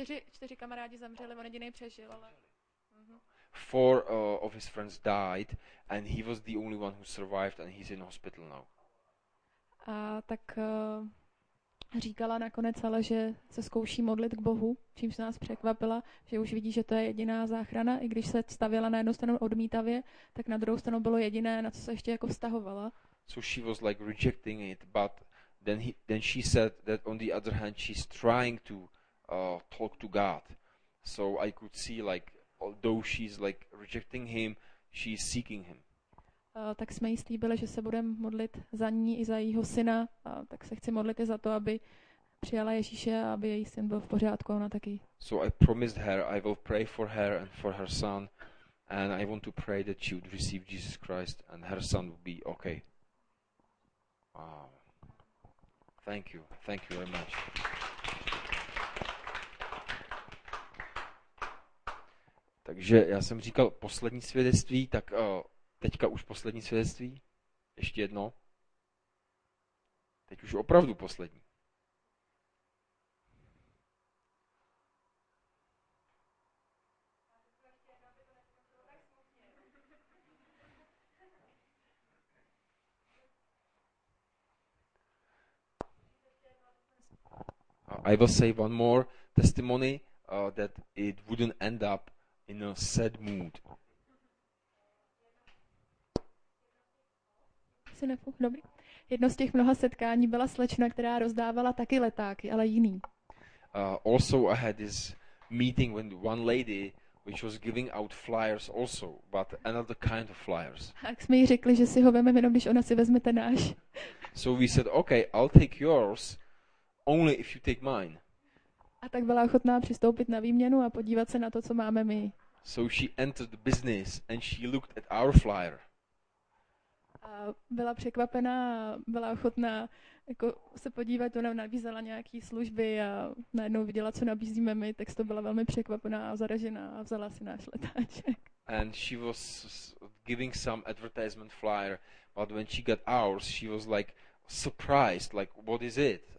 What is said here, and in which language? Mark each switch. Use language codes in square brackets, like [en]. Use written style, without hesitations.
[cs] Čtyři kamarádi zamřeli, on jediný přežil, ale... Uh-huh. [en] Four of his friends died and he was the only one who survived and he's in hospital now. [cs] A tak říkala nakonec ale, že se zkouší modlit k Bohu, čímž nás překvapila, že už vidí, že to je jediná záchrana, i když se stavěla na jednu stranu odmítavě, tak na druhou stranu bylo jediné, na co se ještě jako vztahovala. [en] So she was like rejecting it, but then she said that on the other hand she's trying to talk to God. So I could see like although she's like rejecting him, she's seeking him. [cs] Tak jsme jí slíbili, že se budeme modlit za ní i za jejího syna, tak se chci modlit i za to, aby přijala Ježíše a aby její syn byl v pořádku, ona taky. [en] So I promised her I will pray for her and for her son and I want to pray that she would receive Jesus Christ and her son would be okay. Wow. Thank you very much. [cs] Takže já jsem říkal poslední svědectví, tak teďka už poslední svědectví, ještě jedno. Teď už opravdu poslední. [en] I will say one more testimony that it wouldn't end up in a sad mood. [cs] Dobrý. Jedno z těch mnoha setkání byla slečna, která rozdávala taky letáky, ale jiný. [en] Also I had this meeting with one lady which was giving out flyers also, but another kind of flyers. [cs] Tak jsme jí řekli, že si ho vezmeme jenom když ona si vezme ten náš. [en] So we said, okay, I'll take yours. Only if you take mine. [cs] A tak byla ochotná přistoupit na výměnu a podívat se na to, co máme my. [en] So she entered the business and she looked at our flyer. [cs] A byla překvapená, byla ochotná jako se podívat, ona nabízela nějaký služby a najednou viděla, co nabízíme my, tak to byla velmi překvapená a zaražená a vzala si náš letáček. [en] And she was giving some advertisement flyer, but when she got ours, she was like surprised, like what is it?